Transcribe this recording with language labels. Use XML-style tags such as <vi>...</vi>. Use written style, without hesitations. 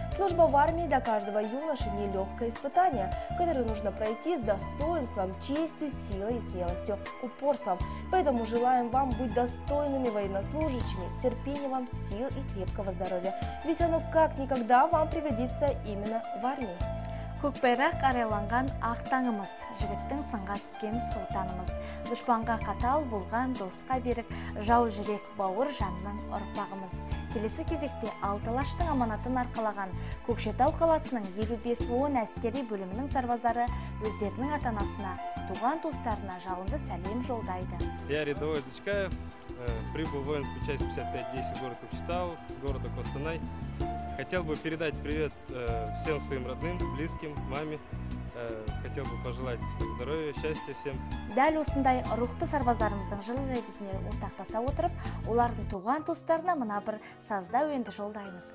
<ru>Служба в армии для каждого юноши – нелегкое испытание, которое нужно пройти с достоинством, честью, силой и смелостью, упорством. Поэтому желаем вам быть достойными военнослужащими, терпения вам, сил и крепкого здоровья. Ведь оно как никогда вам пригодится именно в армии.</ru> <kk>Көкбайрақ арайланған ақ таңымыз, жігіттің сынға түскен сұлтанымыз. Дұшпанға қатал болған досқа берік, жау жүрек бауыр жанның ұрпағымыз. Келесі кезекте Алтылаштың аманатын арқалаған Көкшетау қаласының 55-10 әскери бөлімінің сарбазары өздерінің атанасына, туған достарына жалынды сәлем жолдайды.</kk> <ru>Я рядовой Дычкаев, прибыл в воинскую часть 55-10 город Көкшетау, с города Костанай. Хотел бы передать привет всем своим родным, близким, маме. Хотел бы пожелать здоровья, счастья всем.</ru> <kk>Дәл осындай рухты сарбазларымыздың жылы лебізіне ортақтаса отырып, олардың туған туыстарына мына бір сазда өнді жолдаймыз.</kk>